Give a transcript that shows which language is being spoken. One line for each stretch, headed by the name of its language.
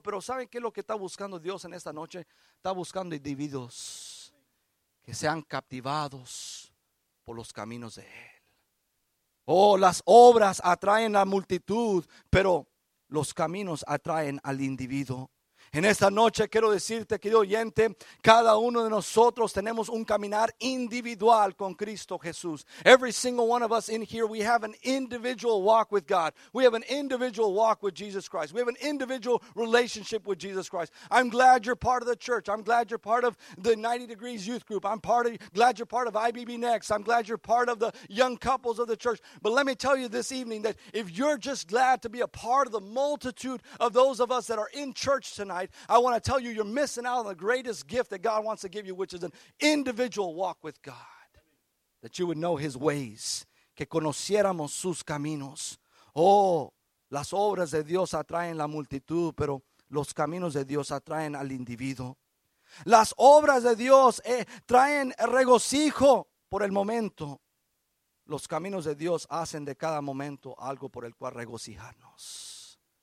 Spanish: Pero ¿saben qué es lo que está buscando Dios en esta noche? Está buscando individuos que sean captivados por los caminos de Él. Oh, las obras atraen a la multitud, pero los caminos atraen al individuo. En esta noche quiero decirte, querido oyente, cada uno de nosotros tenemos un caminar individual con Cristo Jesús.
English: Every single one of us in here, we have an individual walk with God. We have an individual walk with Jesus Christ. We have an individual relationship with Jesus Christ. I'm glad you're part of the church. I'm glad you're part of the 90 Degrees Youth Group. Glad you're part of IBB Next. I'm glad you're part of the young couples of the church. But let me tell you this evening that if you're just glad to be a part of the multitude of those of us that are in church tonight, I want to tell you, you're missing out on the greatest gift that God wants to give you, which is an individual walk with God, that you would know His ways,
Spanish: que conociéramos sus caminos. Oh, las obras de Dios atraen la multitud, pero los caminos de Dios atraen al individuo. Las obras de Dios traen regocijo por el momento. Los caminos de Dios hacen de cada momento algo por el cual regocijarnos.